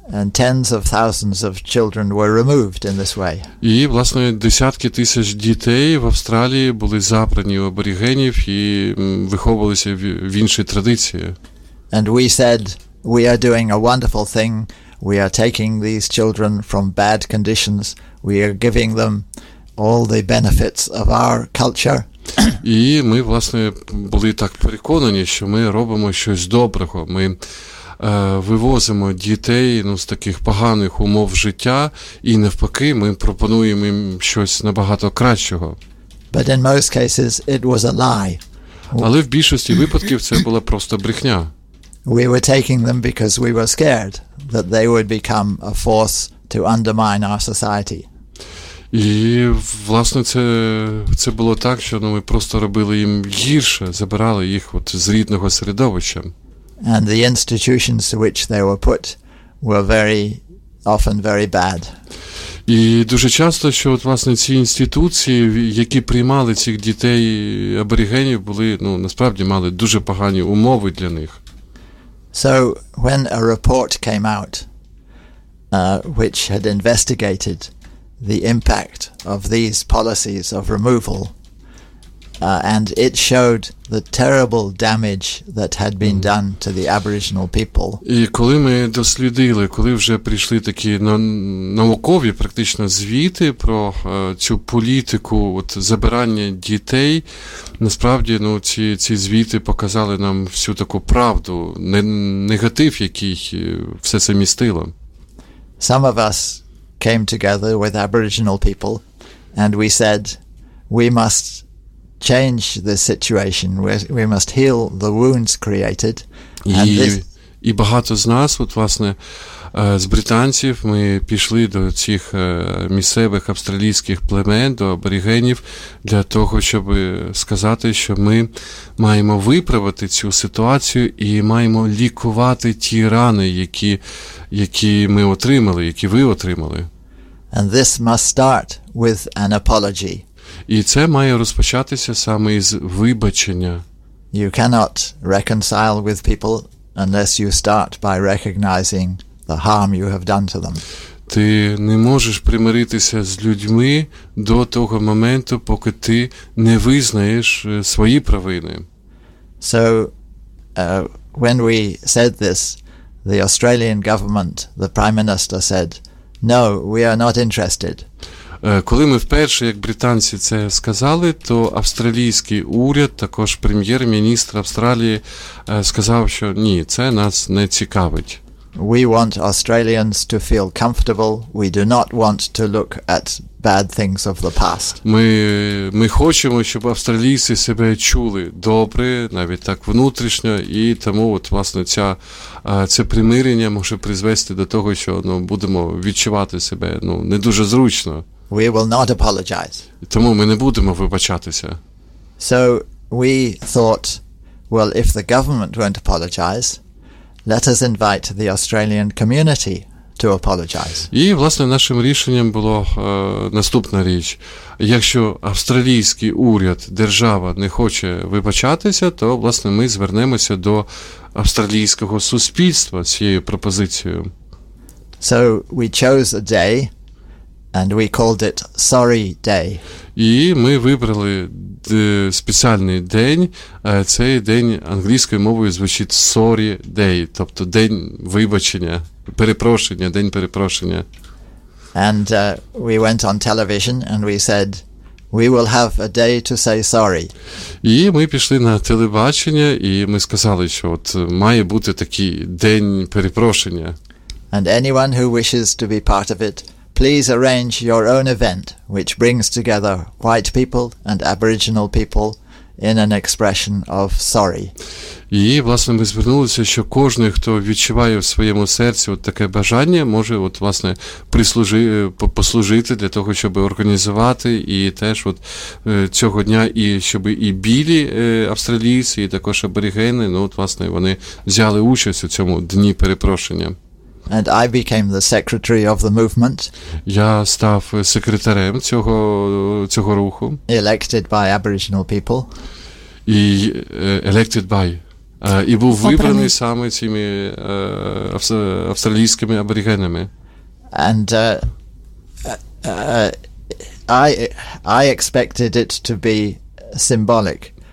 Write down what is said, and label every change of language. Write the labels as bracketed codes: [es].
[en] And tens of thousands of children were removed in this way. [uk] І, власне, десятки тисяч дітей в Австралії були забрані у аборигенів і виховувалися в іншій традиції. [en] And we said we are doing a wonderful thing. We are taking these children from bad conditions. We are giving them all the benefits of our culture. [uk] І ми, власне, були так переконані, що ми робимо щось доброго. Ми вивозимо дітей, ну, з таких поганих умов життя, і навпаки, ми пропонуємо їм щось набагато кращого. [en] But in most cases it was a lie. [uk] Але в більшості випадків це була просто брехня. [en] We were taking them because we were scared that they would become a force to undermine our society. [uk] І, власне, це було так, що, ну, ми просто робили їм гірше, забирали їх от з рідного середовища. [en] And the institutions to which they were put were very often very bad. [uk] І дуже часто, що, от, власне, ці інституції, які приймали цих дітей аборигенів, були, ну, насправді мали дуже погані умови для них. [en] So when a report came out which had investigated the impact of these policies of removal, and it showed the terrible damage that had been done to the Aboriginal people. [uk] І коли ми дослідили, коли вже прийшли такі наукові практично звіти про цю політику от забирання дітей, насправді, ну, ці звіти показали нам всю таку правду, негатив, який все це містило. [en] Some of us came together with Aboriginal people and we said we must change the situation, we must heal the wounds created. [uk] І багато з нас, от, власне, з британців, ми пішли до цих місцевих австралійських племен, до аборигенів, для того, щоб сказати, що ми маємо виправити цю ситуацію і маємо лікувати ті рани, які ми отримали, які ви отримали. [en] And this must start with an apology. [uk] І це має розпочатися саме із вибачення. [en] You cannot reconcile with people unless you start by recognizing the harm you have done to them. [uk] Ти не можеш примиритися з людьми до того моменту, поки ти не визнаєш свої провини. [en] So, when we said this, the Australian government, the Prime Minister said, "No, we are not interested." [uk] Коли ми вперше, як британці, це сказали, то австралійський уряд, також прем'єр-міністр Австралії, сказав, що ні, це нас не цікавить. [en] We want Australians to feel comfortable. We do not want to look at bad things of the past. [uk] Ми хочемо, щоб австралійці себе чули добре, навіть так внутрішньо, і тому от, власне, це примирення може призвести до того, що, ну, будемо відчувати себе, ну, не дуже зручно. [en] We will not apologize. [uk] Тому ми не будемо вибачатися. [en] So we thought, well, if the government won't apologize, let us invite the Australian community to apologize. [uk] І, власне, нашим рішенням було наступна річ. Якщо австралійський уряд, держава не хоче вибачатися, то, власне, ми звернемося до австралійського суспільства з цією пропозицією. [en] So we chose a day and we called it Sorry Day. [uk] І ми вибрали спеціальний день, цей день англійською мовою звучить Sorry Day, тобто день вибачення, перепрошення, день перепрошення. [en] And we went on television and we said we will have a day to say sorry. [uk] І ми пішли на телебачення і ми сказали, що от має бути такий день перепрошення. [en] And anyone who wishes to be part of it, please arrange your own event, which brings together white people and Aboriginal people in an expression of sorry. [uk] І, власне, ми звернулися, що кожен, хто відчуває в своєму серці от таке бажання, може от, власне, послужити для того, щоб організувати і теж от цього дня, і щоб і білі австралійці, і також аборігени, ну, от, власне, вони взяли участь у цьому дні перепрошення. [en] And I became the secretary of the movement. [uk] Я став секретарем цього руху. [en] Elected by Aboriginal people. [uk] І [en] elected by. [uk] І був вибраний саме цими австралійськими аборигенами. [en] And I expected it to be symbolic.